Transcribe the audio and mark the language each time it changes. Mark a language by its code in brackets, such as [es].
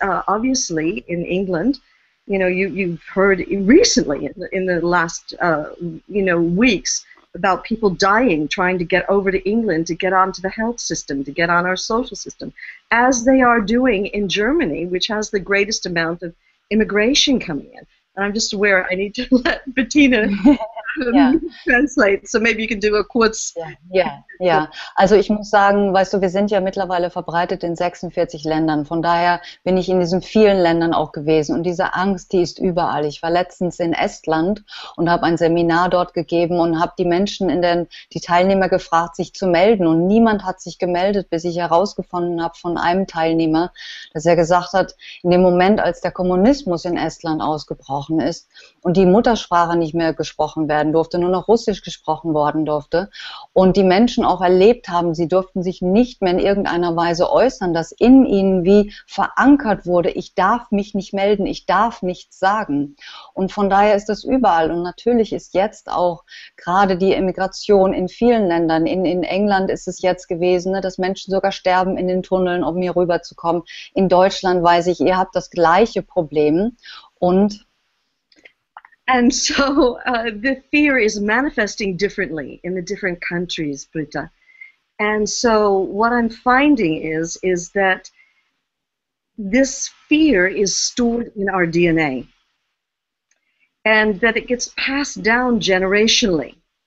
[en] Obviously, in England, you've heard recently in the last weeks about people dying trying to get over to England to get onto the health system, to get on our social system, as they are doing in Germany, which has the greatest amount of immigration coming in. And I'm just aware I need to let Bettina translate, so maybe you can do a quotes. [de] Also ich muss sagen, weißt du, wir sind ja mittlerweile verbreitet in 46 Ländern. Von daher bin ich in diesen vielen Ländern auch gewesen. Und diese Angst, die ist überall. Ich war letztens in Estland und habe ein Seminar dort gegeben und habe die Menschen die Teilnehmer gefragt, sich zu melden. Und niemand hat sich gemeldet, bis ich herausgefunden habe von einem Teilnehmer, dass er gesagt hat, in dem Moment, als der Kommunismus in Estland ausgebrochen ist und die Muttersprache nicht mehr gesprochen werden durfte, nur noch Russisch gesprochen worden durfte und die Menschen auch erlebt haben, sie durften sich nicht mehr in irgendeiner Weise äußern, dass in ihnen wie verankert wurde, ich darf mich nicht melden, ich darf nichts sagen. Und von daher ist das überall. Und natürlich ist jetzt auch gerade die Immigration in vielen Ländern, in England ist es jetzt gewesen, ne, dass Menschen sogar sterben in den Tunneln, um hier rüberzukommen. In Deutschland weiß ich, ihr habt das gleiche Problem. Und [en] And so the fear is manifesting differently in the different countries, Britta. And so what I'm finding is that this fear is stored in our DNA and that it gets passed down generationally.